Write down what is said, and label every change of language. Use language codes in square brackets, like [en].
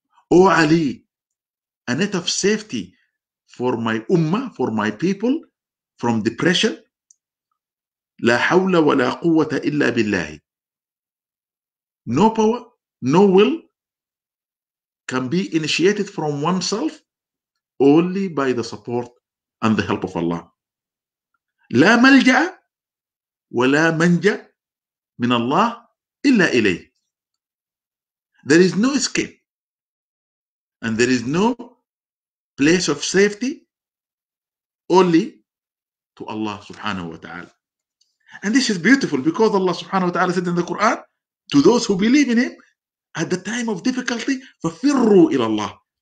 [en] Oh Ali, a net of safety for my ummah, for my people, from depression. [ar] لا حول ولا قوة إلا بالله. [en] No power, no will can be initiated from oneself only by the support and the help of Allah. [ar] لا ملجأ ولا منجأ من الله إلا إليه. [en] There is no escape and there is no place of safety only to Allah subhanahu wa ta'ala. And this is beautiful because Allah subhanahu wa ta'ala said in the Quran to those who believe in him at the time of difficulty, [ar] فَفِرُّوا إِلَى اللَّهِ.